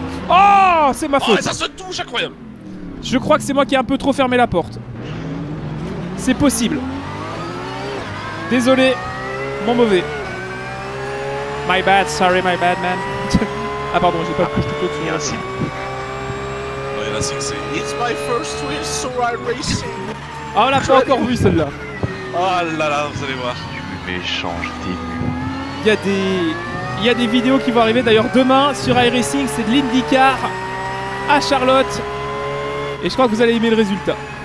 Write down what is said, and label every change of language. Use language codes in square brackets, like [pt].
[fr] Oh, c'est ma faute. Oh, ça se touche, incroyable. Je crois que c'est moi qui ai un peu trop fermé la porte. C'est possible. Désolé, mon mauvais. [en] My bad, sorry, my bad man. [fr] Ah pardon, j'ai pas couché tout au-dessus. Y'a un signe. Non, y'a un signe, c'est. [en] It's my first wheel, so I'm racing. [fr] Ah, on l'a pas encore vu celle-là. Oh là là, vous allez voir. Méchant, je t'ai vu. Y'a des vidéos qui vont arriver d'ailleurs demain sur iRacing. C'est de l'IndyCar à Charlotte. Et je crois que vous allez aimer le résultat.